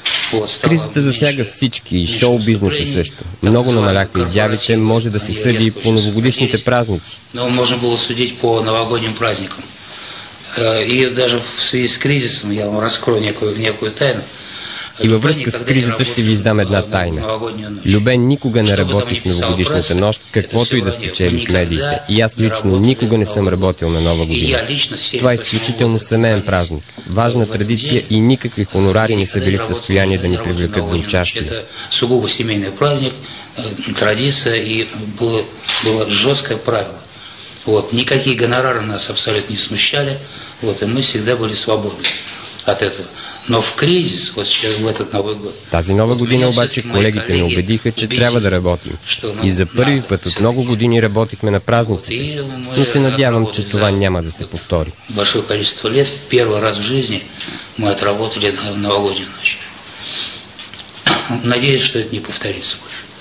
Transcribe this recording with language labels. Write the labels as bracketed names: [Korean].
[Bulgarian] Вот, кризата засяга всички и шоу-бизнеса също. Много намаляха изявите, може да се съди и по новогодишните празници. [Russian] Но можно было судить по новогодним праздникам. И даже в связи с кризисом я вам раскрою некую тайну. [Bulgarian] И във връзка с кризата ще ви издам една тайна. Любе никога не работи в новогодишната нощ, каквото и да спечели в медиите. И аз лично никога не съм работил на Нова година. Това е изключително семеен празник. Важна традиция и никакви хонорари не са били в състояние да ни привлекат за участие. [Russian] Сугубо [Bulgarian] семейен празник, [Russian] традиция и было жесткое правило. Вот, никакие гонорары нас абсолютно не смущали, вот, и мы всегда были свободны от этого. Но в кризис, вот сейчас в этот Новый год. [Bulgarian] Тази нова година обаче колегите ме убедиха, че трябва да работим. И за първи път от много години работихме на празниците. Но се надявам, че това няма да се повтори. [Russian] Большое количество лет, первый раз в жизни мы отработали на новогоднюю ночь. Надеюсь, что это не повторится больше.